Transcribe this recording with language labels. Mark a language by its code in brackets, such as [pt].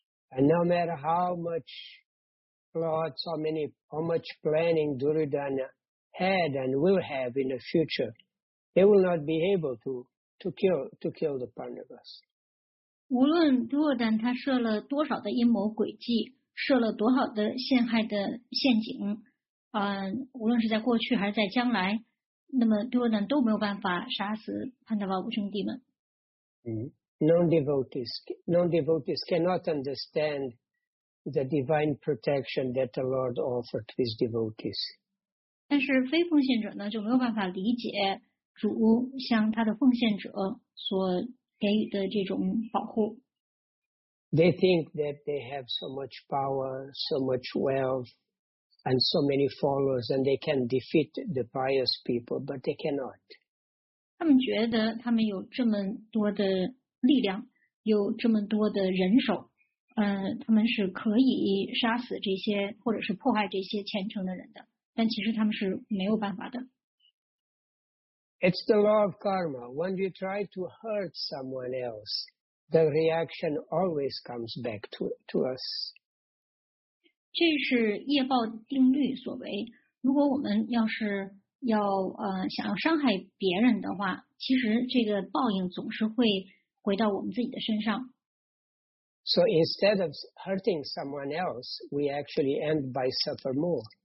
[en] And no matter how much plots, how much planning Duryodhana had and will have in the future, they will not be able to kill the Pandavas. [zh] 无论 Duryodhana 他设了多少的阴谋诡计。设了多少的陷害的陷阱，无论是在过去还是在将来，那么多人都没有办法杀死潘达瓦五兄弟们。 [en] Non-devotees cannot understand the divine protection that the Lord offered to his devotees. [zh] 但是非奉献者呢，就没有办法理解主向他的奉献者所给予的这种保护。 [en] They think that they have so much power, so much wealth, and so many followers, and they can defeat the pious people, but they cannot. [zh] 他们觉得他们有这么多的力量，有这么多的人手，他们是可以杀死这些或者是破坏这些虔诚的人的，但其实他们是没有办法的。 [en] It's the law of karma. When you try to hurt someone else,The reaction always comes back to us. [zh] 这是业报定律所为。如果我们要是要想要伤害别人的话，其实这个报应总是会回到我们自己的身上。 [en] So instead of hurting someone else, we actually end by suffer more.